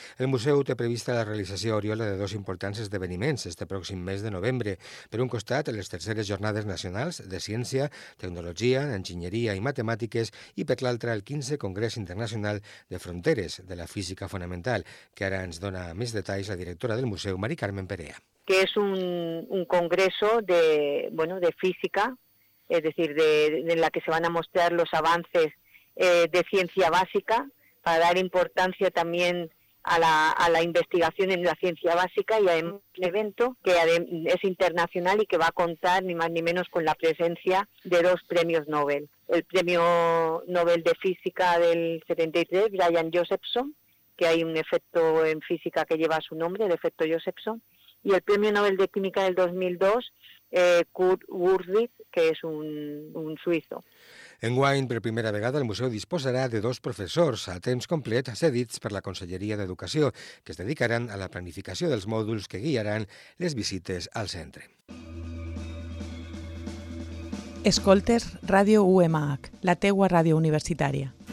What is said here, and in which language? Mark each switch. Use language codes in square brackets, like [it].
[ca] El museu té prevista la realització a Oriola de 2 importants esdeveniments este pròxim mes de novembre. Per un costat, les terceres jornades nacionals de ciència, tecnologia, enginyeria i matemàtiques, i per l'altre, el 15è Congrés Internacional de Fronteres de la Física Fonamental, que ara ens dona més detalls la directora del museu, Mari Carmen Perea. Que és un [es] congreso de, bueno, de física, es decir, de la que se van a mostrar los avances de ciencia básica, para dar importancia también a la investigación en la ciencia básica, y además un evento que es internacional y que va a contar ni más ni menos con la presencia de 2 premios Nobel. El premio Nobel de Física del 73, Brian Josephson, que hay un efecto en física que lleva su nombre, el efecto Josephson, y el premio Nobel de Química del 2002, Kurt Wurzweil, que es un suizo. [ca] Enguany, per primera vegada, el museu disposarà de 2 professors a temps complet cedits per la Conselleria d'Educació, que es dedicaran a la planificació dels mòduls que guiaran les visites al centre. Escoltes Ràdio UMH, la teua ràdio universitària.